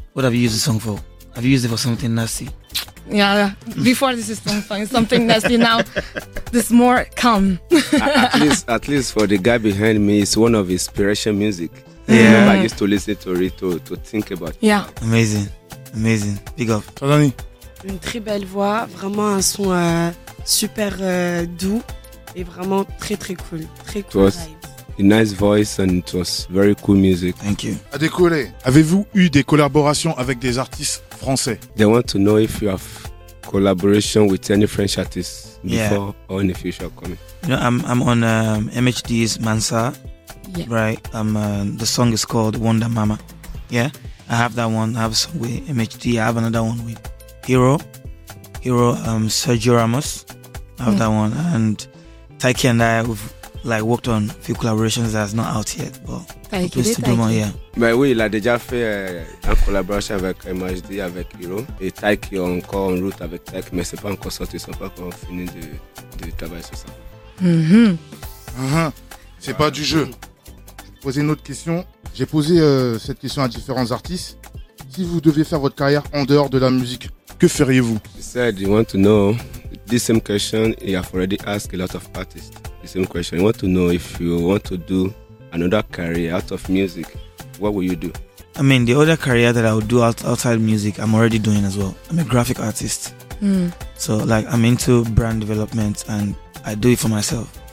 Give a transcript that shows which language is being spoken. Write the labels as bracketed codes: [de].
[en] What have you used the song for? Have you used it for something nasty? Yeah, before this is something nasty, now this more calm. at least for the guy behind me, it's one of inspiration music. Yeah. Remember, I used to listen to it to think about it. Yeah. Amazing. Big up. [fr] Tadani. Une très belle voix, vraiment un son super doux et vraiment très très cool. Très cool vibes. [en] A nice voice and it was very cool music. Thank you. [fr] À décoller. Avez-vous eu des collaborations avec des artistes français? [en] They want to know if you have collaboration with any French artists before or in the future coming. You know, I'm on MHD's Mansa. Yeah. Right. The song is called Wonder Mama. Yeah. I have that one. I have some with MHD. I have another one with Hero. Sergio Ramos. I have that one. And Taiki and I, we've like worked on a few collaborations that's not out yet, but we still do more. Yeah, [fr] but oui, il a déjà fait un collaboration avec MHD, avec Hero et Taiki encore en route avec Taiki, mais c'est pas encore sorti, c'est pas encore fini de travailler sur ça. C'est pas du jeu. Je vais poser une autre question. J'ai posé cette question à différents artistes. Si vous deviez faire votre carrière en dehors de la musique, que feriez-vous? [en] He said, you want to know this same question he has already asked a lot of artists. The same question. I want to know if you want to do another career out of music, what will you do? I mean, the other career that I would do outside music, I'm already doing as well. I'm a graphic artist. So, like, I'm into brand development and I do it for myself.